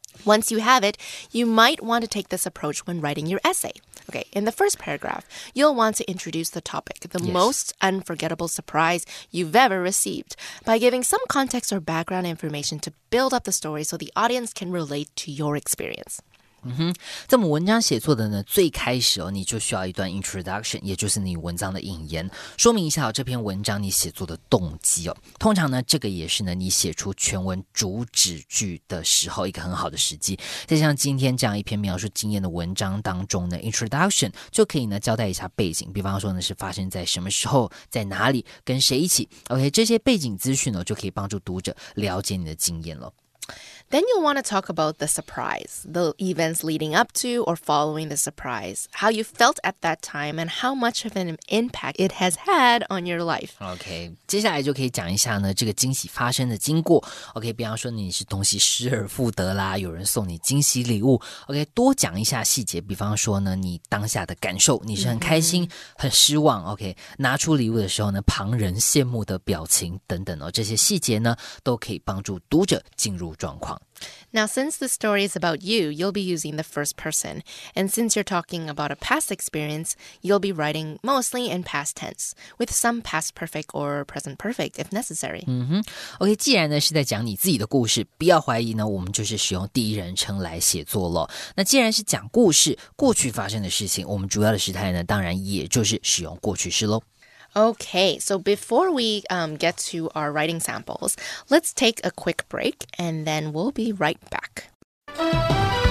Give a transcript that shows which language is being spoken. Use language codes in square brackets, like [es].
[en] Once you have it, you might want to take this approach when writing your essay. Okay, in the first paragraph, you'll want to introduce the topic, the most unforgettable surprise you've ever received, by giving some context or background information to build up the story so the audience can relate to your experience. [zh] 在我们文章写作的呢最开始你就需要一段 introduction， 也就是你文章的引言，说明一下这篇文章你写作的动机哦。通常呢这个也是呢你写出全文主旨句的时候一个很好的时机。在像今天这样一篇描述经验的文章当中呢 introduction 就可以呢交代一下背景，比方说呢是发生在什么时候，在哪里，跟谁一起。 OK， 这些背景资讯呢就可以帮助读者了解你的经验了。 [en] Then you'll want to talk about the surprise, the events leading up to or following the surprise, how you felt at that time, and how much of an impact it has had on your life. [zh] Okay, 接下来就可以讲一下呢这个惊喜发生的经过。 Okay, 比方说你是东西失而复得啦，有人送你惊喜礼物。 Okay, 多讲一下细节，比方说呢你当下的感受，你是很开心，很失望。 Okay, 拿出礼物的时候呢，旁人羡慕的表情等等哦，这些细节呢都可以帮助读者进入状况。 [en] Now, since the story is about you, you'll be using the first person. And since you're talking about a past experience, you'll be writing mostly in past tense, with some past perfect or present perfect if necessary. Mm-hmm. [zh] Okay, 既然呢是在讲你自己的故事，不要怀疑呢，我们就是使用第一人称来写作了。那既然是讲故事，过去发生的事情，我们主要的时态呢，当然也就是使用过去式咯。 [en] Okay, so before we get to our writing samples, let's take a quick break and then we'll be right back.